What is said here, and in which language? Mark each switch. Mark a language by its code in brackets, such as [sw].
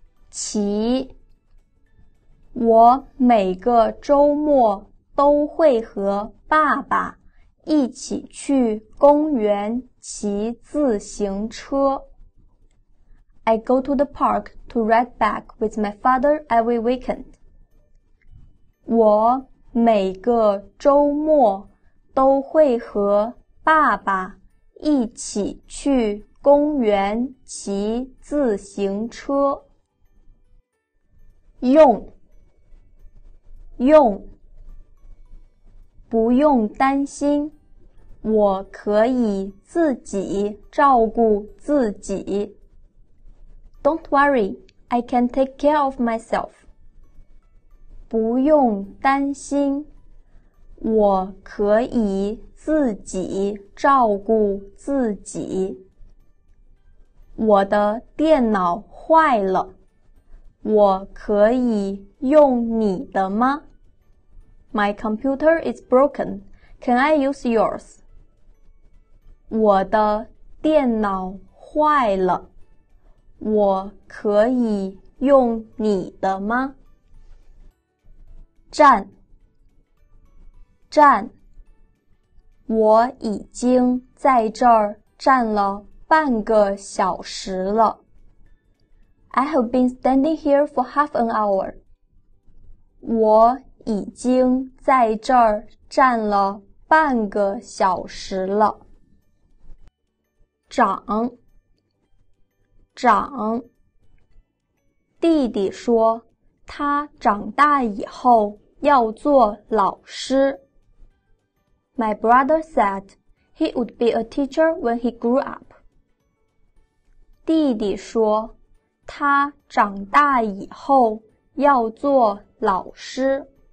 [zh] 骑。我每个周末都会和爸爸一起去公园骑自行车。 [en] I go to the park to ride back with my father every weekend. [zh] 我每个周末都会和爸爸一起去公园骑自行车。用，不用担心。我可以自己照顾自己。 [en] Don't worry, I can take care of myself. [zh] 不用担心，我可以自己照顾自己。我的电脑坏了，我可以用你的吗？ [en] My computer is broken. Can I use yours? [zh] 我的电脑坏了，我可以用你的吗？站，我已经在这儿站了半个小时了。 [en] I have been standing here for half an hour. [zh] 我已经在这儿站了半个小时了。长，弟弟说他长大以后要做老师。 [en] My brother said he would be a teacher when he grew up. [zh] 弟弟说他长大以后要做老师。